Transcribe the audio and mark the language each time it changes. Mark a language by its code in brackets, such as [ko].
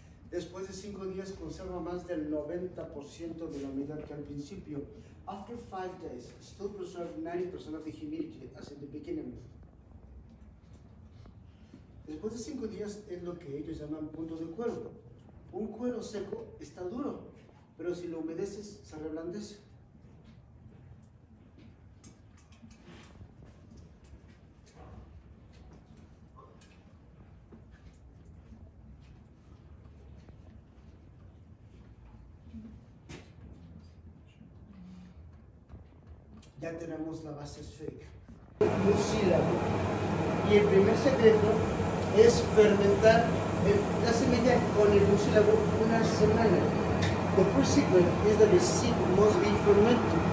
[es] Después de 5 días conserva más del 90% de la humedad que al principio. [en] After 5 days, still preserve 90% of the humidity as in the beginning. [es] Después de 5 días es lo que ellos llaman punto de cuero. Un cuero seco está duro, pero si lo humedeces se reblandece. Ya tenemos la base esférica. Mucílago. Y el primer secreto es fermentar la semilla con el mucílago una semana. [en] The first secret is that the seed must be fermented.